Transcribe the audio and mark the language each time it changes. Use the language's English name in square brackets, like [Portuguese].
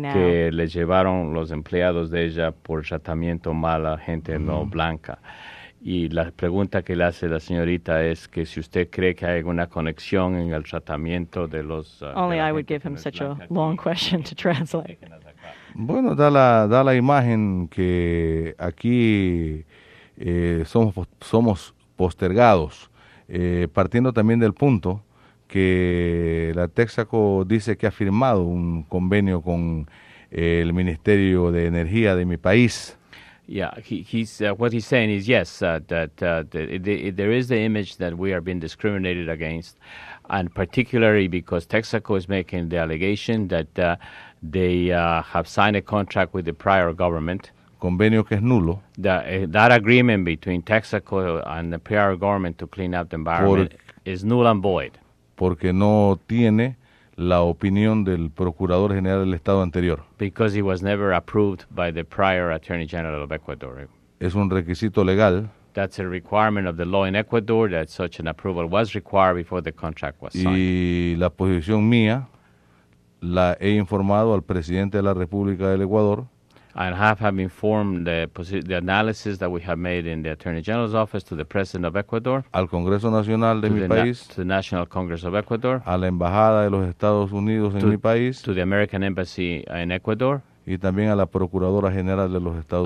[Spanish] que le llevaron los empleados de ella por tratamiento mal a gente no blanca. Y la pregunta que le hace la señorita es que si usted cree que hay alguna conexión en el tratamiento de los [English] Only [Spanish] de [English] I would give him such a long question to translate. [Spanish] Bueno, da la imagen que aquí somos postergados, partiendo también del punto que la Texaco dice que ha firmado un convenio con el Ministerio de Energía de mi país. [English] Yeah, he's what he's saying is yes, there is the image that we are being discriminated against, and particularly because Texaco is making the allegation that they have signed a contract with the prior government. [Spanish] Convenio que es nulo. [English] That agreement between Texaco and the prior government to clean up the environment is null and void. [Spanish] Porque no tiene la opinión del Procurador General del Estado anterior. [English] Because he was never approved by the prior Attorney General of Ecuador. [Spanish] Es un requisito legal. [English] That's a requirement of the law in Ecuador that such an approval was required before the contract was signed. [Spanish] Y la posición mía la he informado al Presidente de la República del Ecuador. [English] And have informed the analysis that we have made in the Attorney General's office to the President of Ecuador, [Spanish] al Congreso Nacional de mi país, [English] to the National Congress of Ecuador, [Spanish] a la Embajada de los Estados Unidos en mi país, [English] to the American Embassy in Ecuador, [Spanish] y también a la Procuradora General de los Estados